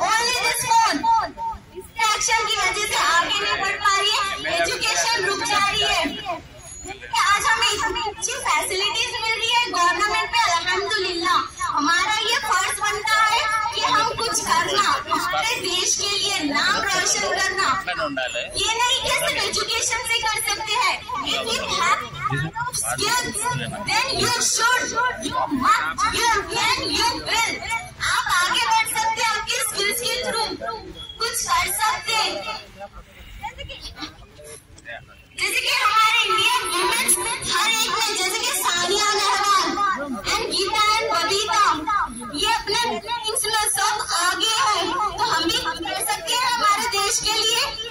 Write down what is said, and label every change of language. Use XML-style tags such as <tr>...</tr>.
<hi>Education की वजह से आगे नहीं बढ़ पा रही है, एजुकेशन रुक जा रही है। आज हमें इतनी अच्छी फैसिलिटीज मिल रही है गवर्नमेंट पे, अल्हम्दुलिल्लाह। हमारा ये फर्ज बनता है कि हम कुछ करना, हमारे देश के लिए नाम रोशन करना। ये नहीं कि सिर्फ एजुकेशन से कर सकते हैं।</hi> <en>If you have skills, then you should, you must, you can, you will.</en> <hi>आप आगे बढ़ सकते हैं आपके स्किल्स के थ्रू, कुछ कर सकते हैं। जैसे कि हमारे इंडियन वुमेन्स हर एक में, जैसे कि सानिया नेहवाल एंड गीता एंड बबीता, ये अपने गेम्स में सब आगे हैं, तो हम भी कर सकते हैं हमारे देश के लिए।</hi>